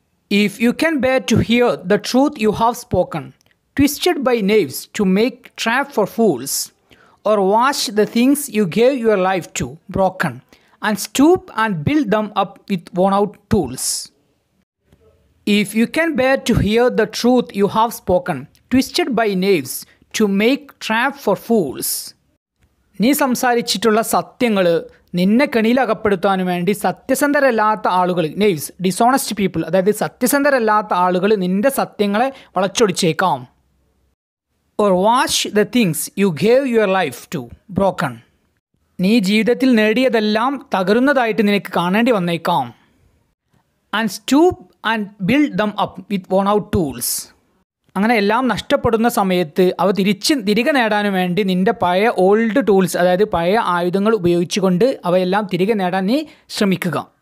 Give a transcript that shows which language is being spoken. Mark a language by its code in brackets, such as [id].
[en] If you can bear to hear the truth you have spoken, twisted by knaves to make trap for fools, or watch the things you gave your life to broken and stoop and build them up with worn out tools. If you can bear to hear the truth you have spoken, twisted by knaves to make trap for fools. [ml] നീ സംസാരിച്ചിട്ടുള്ള സത്യങ്ങൾ നിന്നെ കെണിയിൽ അകപ്പെടുത്താൻ വേണ്ടി സത്യസന്ധരല്ലാത്ത ആളുകൾ, നെയ്വ്സ്, dishonest people, അതായത് സത്യസന്ധരല്ലാത്ത ആളുകൾ നിന്റെ സത്യങ്ങളെ വളച്ചൊടിച്ചേക്കാം. [en] Or wash the things you gave your life to broken. [ml] നീ ജീവിതത്തിൽ നേടിയതെല്ലാം തകരുന്നതായിട്ട് നിനക്ക് കാണേണ്ടി വന്നേക്കാം. [en] And stoop and build them up with worn out tools. [ml] അങ്ങനെ എല്ലാം നഷ്ടപ്പെടുന്ന സമയത്ത് അവ തിരികെ നേടാനും വേണ്ടി നിൻ്റെ പഴയ ഓൾഡ് ടൂൾസ്, അതായത് പഴയ ആയുധങ്ങൾ ഉപയോഗിച്ചുകൊണ്ട് അവയെല്ലാം തിരികെ നേടാൻ നീ ശ്രമിക്കുക.